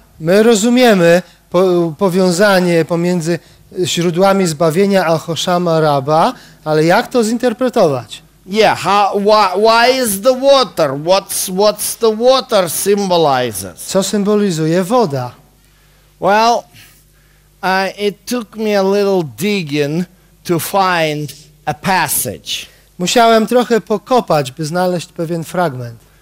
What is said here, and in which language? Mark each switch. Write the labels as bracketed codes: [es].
[pl] My rozumiemy powiązanie pomiędzy źródłami zbawienia a Hoshana Rabbah, ale jak to zinterpretować? [en] Yeah, why is the water? What's the water symbolizes? [pl] Co symbolizuje woda? [en] Well, it took me a little digging to find a passage. [pl] Musiałem trochę pokopać, by znaleźć pewien fragment.